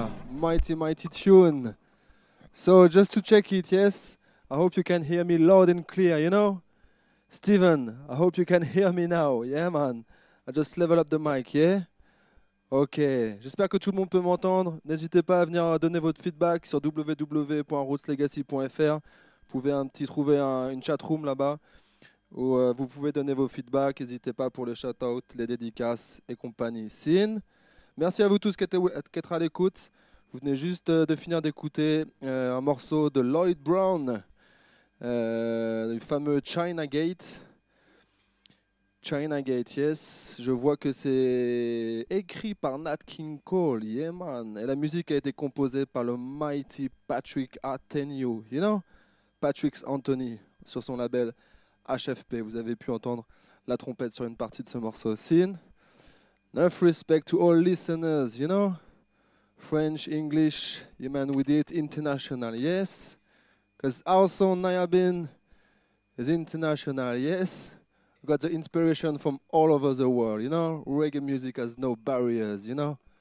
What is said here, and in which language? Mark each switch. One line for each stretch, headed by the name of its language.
English: Mighty tune. So just to check it, yes, I hope you can hear me loud and clear, you know, Steven, I hope you can hear me now. Yeah man, I just level up the mic, yeah.
French: Ok, j'espère que tout le monde peut m'entendre. N'hésitez pas à venir donner votre feedback sur www.rootslegacy.fr. Vous pouvez un petit trouver une chat room là-bas où vous pouvez donner vos feedbacks. N'hésitez pas pour les shout-outs, les dédicaces et compagnie. Sin, merci à vous tous qui êtes à l'écoute. Vous venez juste de finir d'écouter un morceau de Lloyd Brown, le fameux China Gate. China Gate,
English: yes.
French: Je vois que c'est écrit par Nat King Cole,
English: yeah man.
French: Et la musique a été composée par le mighty Patrick Antonio,
English: you know?
French: Patrick Anthony, sur son label HFP. Vous avez pu entendre la trompette sur une partie de ce morceau.
English: Sin, enough respect to all listeners, you know? French, English, yeah man, we did it international, yes? Because also Nayabin is international, yes? Got the inspiration from all over the world, you know? Reggae music has no barriers, you know?